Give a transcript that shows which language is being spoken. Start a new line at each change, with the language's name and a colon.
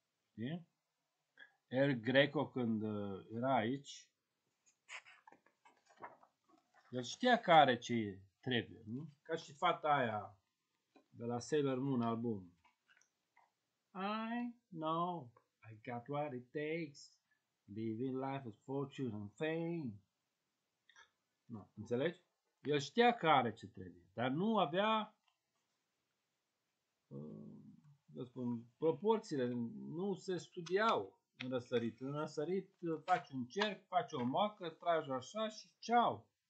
Romanian: Știi? El Greco, când era aici, el știa care ce trebuie, nu? Ca și fata aia de la Sailor Moon album.
English: I know, I got what it takes, living life is fortune and fame.
Romanian: No, înțelegi? El știa care ce trebuie, dar nu avea, eu spun, proporțiile, nu se studiau în răsărit. În răsărit faci un cerc, faci o moacă, tragi așa și ceau.